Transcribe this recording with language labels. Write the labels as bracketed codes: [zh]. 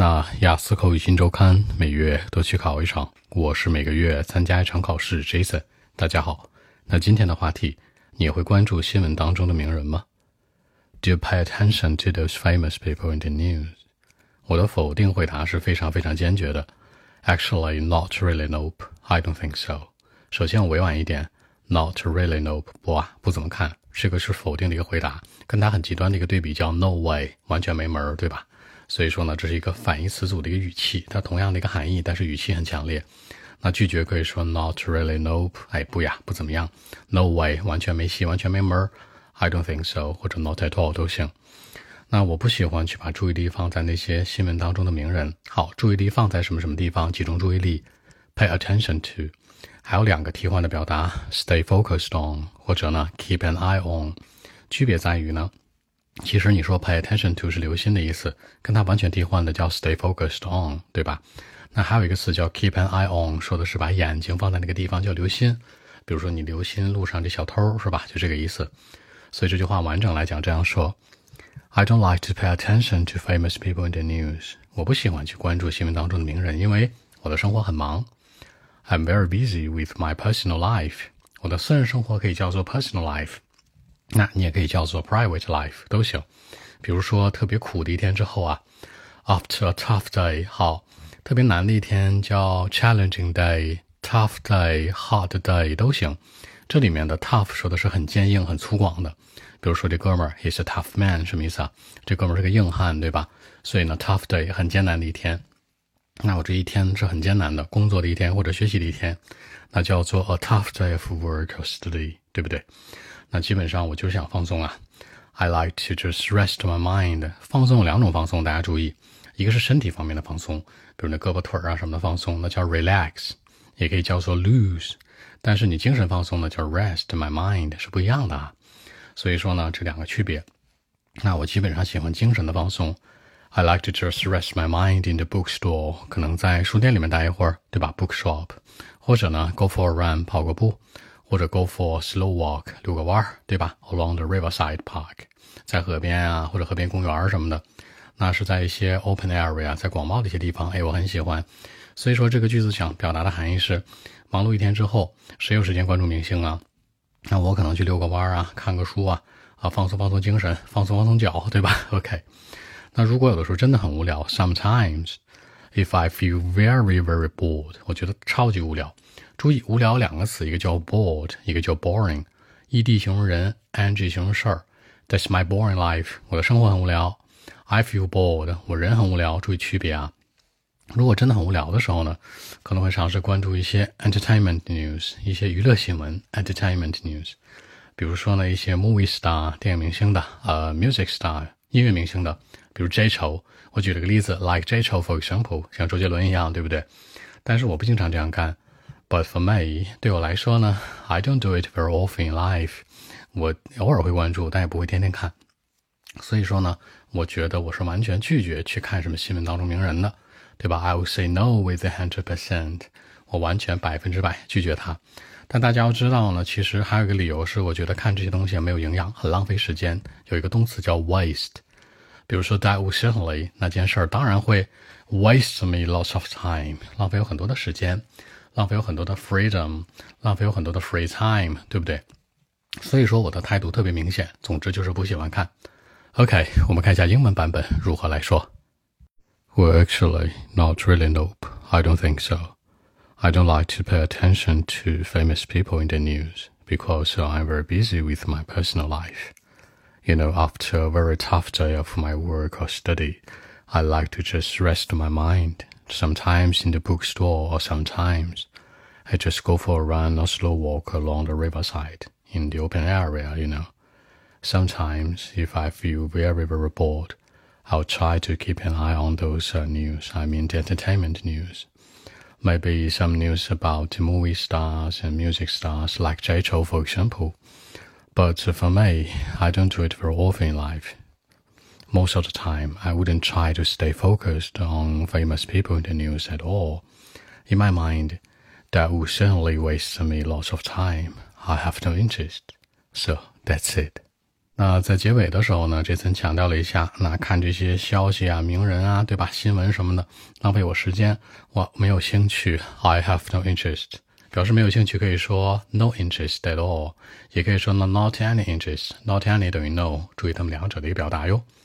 [zh] 那雅思口语新周刊每月都去考一场，我是每个月参加一场考试 Jason。大家好，那今天的话题，你会关注新闻当中的名人吗？ [en] Do you pay attention to those famous people in the news? [zh] 我的否定回答是非常非常坚决的。 [en] Actually, not really, nope, I don't think so. [zh] 首先我委婉一点， [en] Not really, nope, [zh] 不怎么看，这个是否定的一个回答，跟它很极端的一个对比叫 [en] No way, [zh] 完全没门，对吧？所以说呢，这是一个反义词组的一个语气，它同样的一个含义，但是语气很强烈。那拒绝可以说 [en] not really, nope, [zh] 哎，不呀，不怎么样， [en] no way, [zh] 完全没戏，完全没门， [en] I don't think so, [zh] 或者 [en] not at all [zh] 都行。那我不喜欢去把注意力放在那些新闻当中的名人。好，注意力放在什么什么地方，集中注意力， [en] pay attention to, [zh] 还有两个替换的表达， [en] stay focused on, [zh] 或者呢 [en] keep an eye on, [zh] 区别在于呢，其实你说 pay attention to 是留心的意思，跟它完全替换的叫 stay focused on, 对吧？那还有一个词叫 [en] keep an eye on, [zh] 说的是把眼睛放在那个地方叫留心，比如说你留心路上这小偷，是吧？就这个意思。所以这句话完整来讲这样说， [en] I don't like to pay attention to famous people in the news. [zh] 我不喜欢去关注新闻当中的名人，因为我的生活很忙。 [en] I'm very busy with my personal life. [zh] 我的私人生活可以叫做 [en] personal life, [zh] 那你也可以叫做 [en] private life, [zh] 都行。比如说特别苦的一天之后啊， [en] after a tough day, [zh] 好，特别难的一天叫 [en] challenging day, tough day, hard day, [zh] 都行。这里面的 tough 说的是很坚硬很粗犷的。比如说这哥们儿 , [en] he's a tough man, [zh] 什么意思啊，这哥们儿是个硬汉，对吧？所以呢 [en] tough day, [zh] 很艰难的一天。那我这一天是很艰难的，工作的一天或者学习的一天，那叫做 [en] a tough day of work or study, [zh] 对不对？那基本上我就想放松啊。 [en] I like to just rest my mind. [zh] 放松有两种放松，大家注意，一个是身体方面的放松，比如那胳膊腿啊什么的放松，那叫 relax, 也可以叫做 lose, 但是你精神放松呢叫 [en] rest my mind, [zh] 是不一样的啊。所以说呢这两个区别，那我基本上喜欢精神的放松。 [en] I like to just rest my mind in the bookstore, [zh] 可能在书店里面待一会儿，对吧？ [en] bookshop, 或者呢 go for a run, 跑个步，或者 go for a slow walk, 溜个弯，对吧？ along the riverside park, [zh] 在河边啊，或者河边公园什么的，那是在一些 [en] open area, [zh] 在广袤的一些地方，哎，我很喜欢。所以说这个句子想表达的含义是，忙碌一天之后，谁有时间关注明星啊？那我可能去溜个弯啊，看个书啊，啊，放松放松精神，放松放松脚，对吧？ OK, 那如果有的时候真的很无聊， [en] sometimes, if I feel very, very bored, [zh] 我觉得超级无聊。注意无聊两个词，一个叫 bored, 一个叫 boring, ED 形容人， NG 形容事儿。 [en] That's my boring life, [zh] 我的生活很无聊。 [en] I feel bored, [zh] 我人很无聊，注意区别啊。如果真的很无聊的时候呢，可能会尝试关注一些 [en] entertainment news, [zh] 一些娱乐新闻 entertainment news, 比如说呢一些 [en] movie star, [zh] 电影明星的 [en] music star, [zh] 音乐明星的，比如 J 仇，我举了个例子 [en] like J 仇 for example, [zh] 像周杰伦一样，对不对？但是我不经常这样干。 [en] But for me, [zh] 对我来说呢， [en] I don't do it very often in life. [zh] 我偶尔会关注，但也不会天天看。所以说呢，我觉得我是完全拒绝去看什么新闻当中名人的，对吧？ [en] I will say no with 100%. [zh] 我完全100%拒绝它。但大家要知道呢，其实还有一个理由是，我觉得看这些东西没有营养，很浪费时间。有一个动词叫 waste。比如说 [en] that will certainly, [zh] 那件事儿当然会 [en] waste me lots of time, [zh] 浪费有很多的时间。浪费有很多的 freedom, 浪费有很多的 [en] free time, [zh] 对不对？所以说我的态度特别明显，总之就是不喜欢看。OK, 我们看一下英文版本如何来说。 [en] Well, actually, not really, nope, I don't think so. I don't like to pay attention to famous people in the news, because I'm very busy with my personal life. You know, after a very tough day of my work or study, I like to just rest my mind. Sometimes in the bookstore, or sometimes I just go for a run or slow walk along the riverside in the open area, you know. Sometimes, if I feel very, very bored, I'll try to keep an eye on those news, I mean the entertainment news. Maybe some news about movie stars and music stars like Jay Chou, for example. But for me, I don't do it very often in life. Most of the time, I wouldn't try to stay focused on famous people in the news at all. In my mind, that would certainly waste me lots of time. I have no interest. So, that's it. [zh] 那在结尾的时候呢，这次强调了一下，那看这些消息啊，名人啊，对吧，新闻什么的，浪费我时间，我没有兴趣， [en] I have no interest。 [zh] 表示没有兴趣可以说 [en] no interest at all， [zh] 也可以说 [en] not any interest， [zh] not any 等于 no， 注意他们两者的一个表达哟。